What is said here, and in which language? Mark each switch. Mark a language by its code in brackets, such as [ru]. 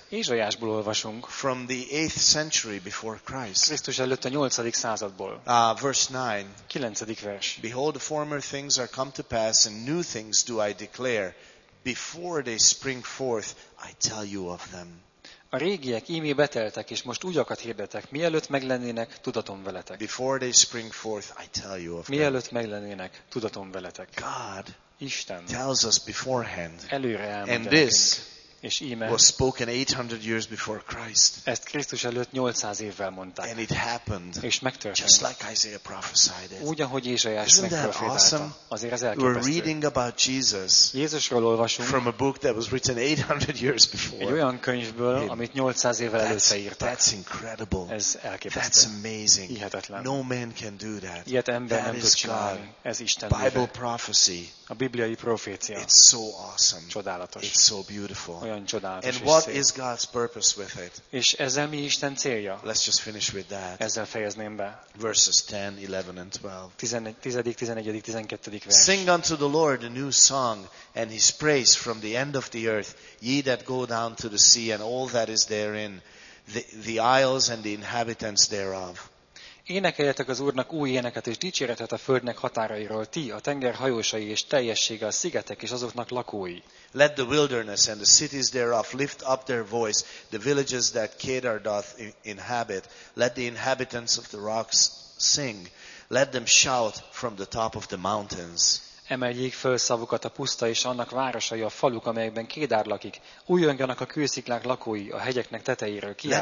[hu] Ézsaiásból olvasunk. [en] From the 8th century before Christ. [hu] Krisztus előtt a 8. századból. [en] Verse 9. [hu] 9. vers. [en] Behold, former things are come to pass, and new things do I declare. Before they spring forth, I tell you of them. [hu] A régiek ímé beteltek, és most újakat hirdetek. Mielőtt meglennének, tudatom veletek. [en] Before they spring forth, I tell you of them. [hu] Mielőtt meglennének, tudatom veletek. [en] God. [hu] Isten [en] tells us beforehand. [hu] Előre [en] and this [hu] és íme, [en] was spoken 800 years before Christ. [hu] Ezt Krisztus előtt 800 évvel mondták. [en] And it happened. [hu] És megtörtént. [en] Just like Isaiah prophesied it. [hu] Úgy, ahogy Ézsaiás megprofétálta. [en] Awesome? [hu] Azért ez elképesztő. [en] We're reading about Jesus. [hu] Jézusról olvasunk. [en] From a book that was written 800 years before. [hu] Egy olyan könyvből, amit 800 évvel előtte írtak. [en] That's incredible. [hu] Ez elképesztő. [en] That's amazing. [hu] Hihetetlen. [en] No man can do that. [hu] Ilyet ember nem tud csinálni. Ez Isten műve. [en] Bible prophecy. [hu] A bibliai profécia. [en] It's so awesome. [hu] Csodálatos. [en] It's so beautiful. [hu] Olyan csodálatos. [en] And what is God's purpose with it? [hu] És ezzel mi Isten célja? [en] Let's just finish with that. [hu] Ezzel fejezném be. [en] Verses 10, 11 and 12. [hu] 10. 11. 12. vers. [en] Sing unto the Lord a new song and his praise from the end of the earth, ye that go down to the sea and all that is therein, the isles and the inhabitants thereof. [hu] Énekeljetek az Úrnak új éneket és dicséretet a földnek határairól, ti, a tenger hajósai és teljessége a szigetek és azoknak lakói. [en] Let the wilderness and the cities thereof lift up their voice, the villages that Kedar doth inhabit. Let the inhabitants of the rocks sing. Let them shout from the top of the mountains. [hu] Emeljék föl szavukat a puszta és annak városai, a faluk, amelyekben Kédár lakik. Újjongjanak a kősziklák lakói, a hegyeknek tetejéről